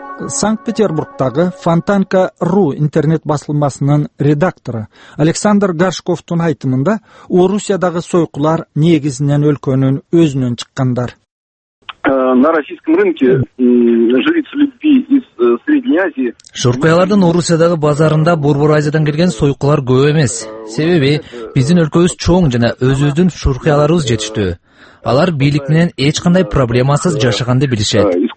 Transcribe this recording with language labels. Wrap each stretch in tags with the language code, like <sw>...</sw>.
<ky>Санкт-Петербургтагы Фонтанка.ру интернет басылмасынын редактору Александр Гаршковтун айтымында Орусиядагы сойкулар негизинен өлкөнүн өзүнөн чыккандар.</ky> <ru>На российском рынке жрица любви из Средней Азии.</ru> <ky>Шуркуялардын Орусиядагы базарында Борбор Азиядан келген сойкулар көп эмес. Себеби биздин өлкөбүз чоң жана өзүбүздүн шуркуяларыбыз жетиштүү. Алар бийлик менен эч кандай проблемасыз жашаганды билишет.</ky>